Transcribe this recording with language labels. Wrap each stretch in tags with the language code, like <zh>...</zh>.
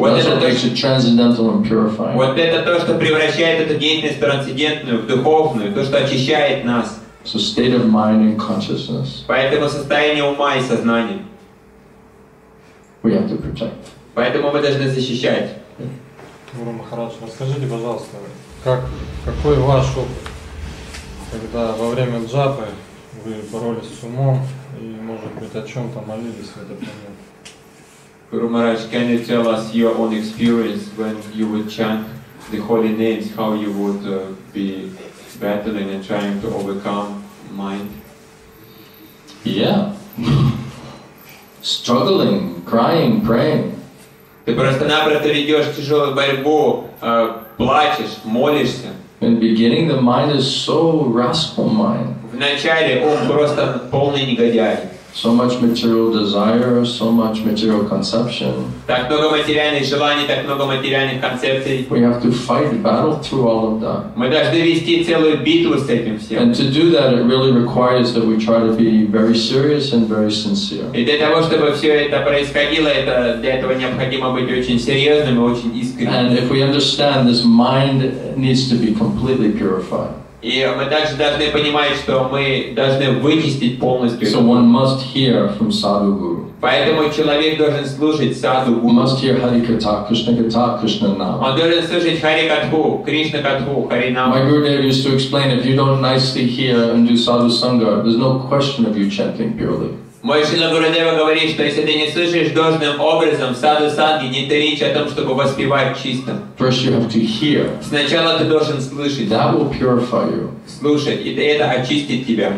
<en>Вот That's what makes it transcendental and purifying.</en> <ru>Вот это то, что превращает эту деятельность в трансцендентную, в духовную, то, что очищает нас.</ru> <en>So state of mind and consciousness.</en> <ru>Поэтому состояние ума и сознания.</ru> <en>We have to protect.</en> <ru>Поэтому мы должны защищать. Гуру Махарадж, расскажите, пожалуйста, какой ваш опыт? Когда во время джапы вы боролись с умом и, может быть, о чем-то молились в этот момент.</ru> <en>Guru Maharaj, can you tell us your own experience when you would chant the holy names, how you would be battling and trying to overcome mind? Yeah. Struggling, crying, praying.</en> <ru>Ты просто-напросто ведешь тяжелую борьбу, плачешь, молишься.</ru> <en>In the beginning, the mind is so rascal mind.</en> <ru>В начале ум просто полный негодяй.</ru> <en>So much material desire, so much material conception.</en> <ru>Так много материальных желаний, так много материальных концепций.</ru> <en>We have to fight battle through all of that.</en> <ru>Мы должны вести целую битву с этим всем.</ru> <en>And to do that, it really requires that we try to be very serious and very sincere.</en> <ru>И для того, чтобы все это происходило, для этого необходимо быть очень серьезным и очень искренним.</ru> <en>And if we understand, this mind needs to be completely purified.</en> <ru>И мы также должны понимать, что мы должны вычистить полностью.</ru> <en>So one must hear from sadhu guru.</en> <ru>Поэтому человек должен слушать sadhu guru.</ru> <en>He must hear hari katha, krishna katha, krishna nama.</en> <ru>Он должен слушать хари катху, кришна катху, хари нама.</ru> <en>My guru Dev used to explain, if you don't nicely hear and do sadhu sangha, there's no question of you chanting purely.</en> <ru>Мой Шрила Гурудева говорит, что если ты не слышишь должным образом саду санги, не ты речь о том, чтобы воспевать чисто.</ru> <en>First you have to hear.</en> <ru>Сначала ты должен слышать.</ru> <en>That will purify you.</en> <ru>Слушать, и это очистит тебя.</ru>